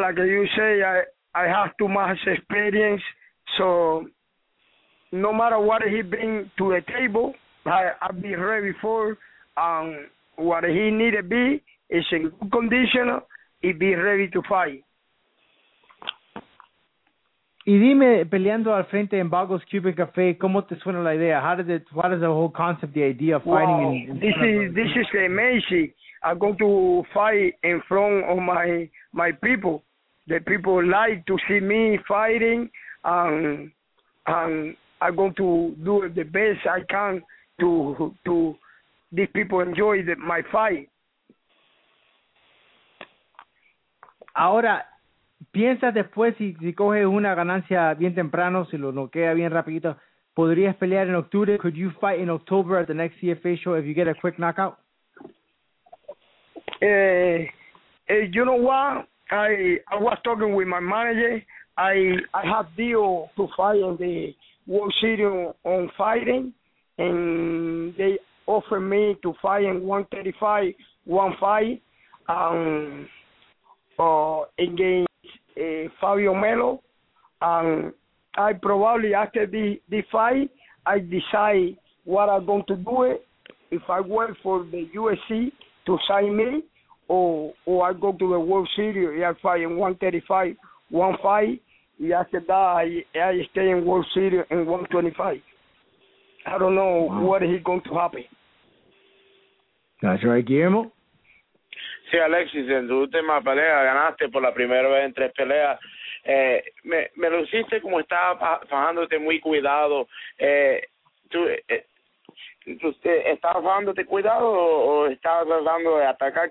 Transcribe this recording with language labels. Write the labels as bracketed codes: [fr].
[en] Like you say, I have too much experience. So no matter what he bring to the table, I've been ready for. What he need to be is in good condition. He be ready to fight. [es] Y dime, peleando al frente en Bagos Cuban Café, ¿cómo te suena la idea? [en] What is the whole concept, the idea of fighting? Wow. This is amazing. I'm going to fight in front of my people. The people like to see me fighting, and I'm going to do the best I can to these people enjoy my fight. [es] Ahora, ¿piensas después, si coge una ganancia bien temprano, si lo noquea bien rapidito, podrías pelear en octubre? [en] Could you fight in October at the next CFA show if you get a quick knockout? You know what? I was talking with my manager. I have deal to fight in the World Series on fighting, and they offered me to fight in 135, one fight, again. Fabio Melo, and I probably after the fight, I decide what I'm going to do, it if I work for the UFC to sign me, or I go to the World Series, I fight in 135, one fight, and after that, I stay in World Series in 125. I don't know what is going to happen. That's right, Guillermo. [es] Sí, Alexis, en tu última pelea ganaste por la primera vez en tres peleas. Me lo hiciste como estaba fajándote muy cuidado. ¿Tú estabas fajándote cuidado o estabas tratando de atacar?